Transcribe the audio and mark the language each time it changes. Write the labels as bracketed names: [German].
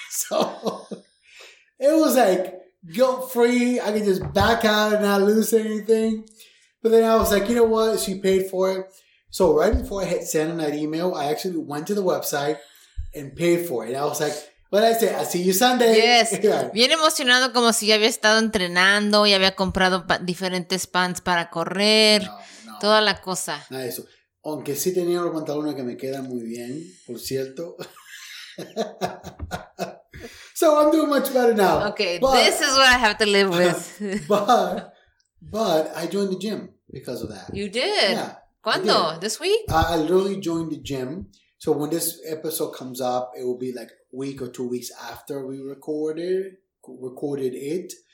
[English] So it was like guilt-free. I could just back out and not lose anything. But then I was like, you know what? She paid for it. So right before I hit send on that email, I actually went to the website and paid for it. And I was like, what did I say? I'll see you Sunday. Yes. [Spanish] Bien emocionado, como si ya había estado entrenando y había comprado diferentes pants para correr. No. Toda la cosa. Nada de eso. Aunque sí tenía los pantalones que me quedan muy bien, por cierto. [English] So I'm doing much better now. Okay. But, this is what I have to live with. But I joined the gym because of that. You did? Yeah. [Spanish] ¿Cuándo? [English] This week? I literally joined the gym. So when this episode comes up, it will be like week or 2 weeks after we recorded it.